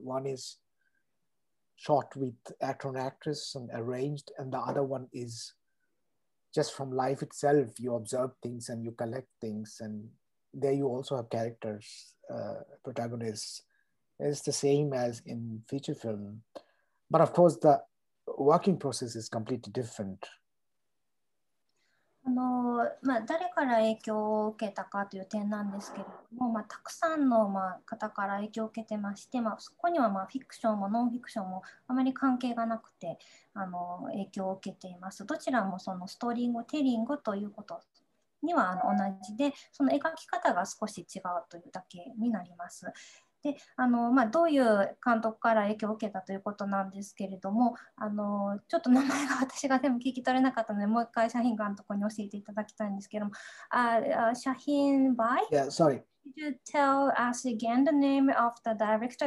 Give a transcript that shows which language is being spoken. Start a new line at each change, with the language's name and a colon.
English: One is shot with actor and actress and arranged, and the other one is just from life itself. You observe things and you collect things, and there you also have characters, protagonists. It's the same as in feature film. But of course, the working process is completely different.
Japanese: まあ、誰から影響を受けたかという点なんですけれども、まあ、たくさんの、まあ、方から影響を受けてまして、まあ、そこには、まあ、フィクションもノンフィクションもあまり関係がなくて影響を受けています。どちらもそのストーリングテリングということには同じで、その描き方が少し違うというだけになります。でまあ、どういう監督から影響を受けたということなんですけれども、ちょっと名前が私がでも聞き取れなかったので、もう一回シャヒン監督に教えていただきたいんですけども、シャヒン・バイ
English: Yeah, sorry. Could you tell us again the name of the director?